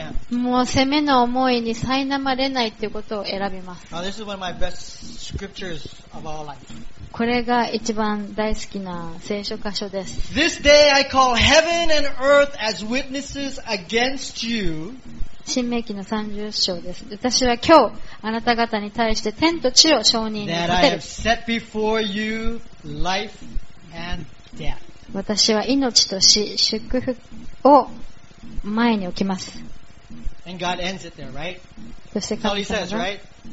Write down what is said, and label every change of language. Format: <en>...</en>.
<ja>もう責めの思いに苛まれないっていうことを選びます。</ja> <en>Now, this is one of my best scriptures of all life.</en> <ja>これが一番大好きな聖書箇所です。</ja> <en>This day I call heaven and earth as witnesses against you.</en> <ja>新命記の30章です。私は今日あなた方に対して天と地を証人に立てる。</ja> <en>set before you life and death.</en> <ja>私は命と死、祝福を前に置きます。</ja> <en>And God ends it there, right?</en> <ja>そして神様は、</ja> <en>That's what he says, right?</en>